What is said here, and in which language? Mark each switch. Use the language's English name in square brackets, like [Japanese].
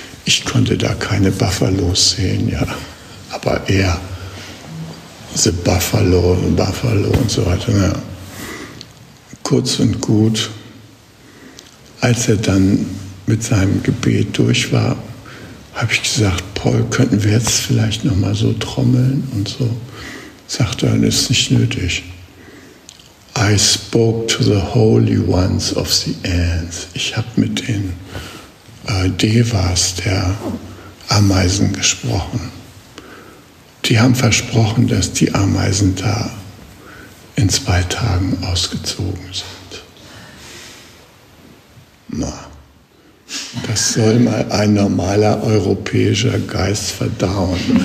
[German] Ich konnte da keine Buffalos sehen, ja. Aber er, [English] the Buffalo, the Buffalo [German] und so weiter. Ja. Kurz und gut, als er dann mit seinem Gebet durch war, habe ich gesagt, Paul, könnten wir jetzt vielleicht noch mal so trommeln und so. Sagt er, das ist nicht nötig. [English] I spoke to the holy ones of the ants. [German] Ich habe mit den Devas der Ameisen gesprochen. Die haben versprochen, dass die Ameisen da in 2 Tagen ausgezogen sind. Na, das soll mal ein normaler europäischer Geist verdauen.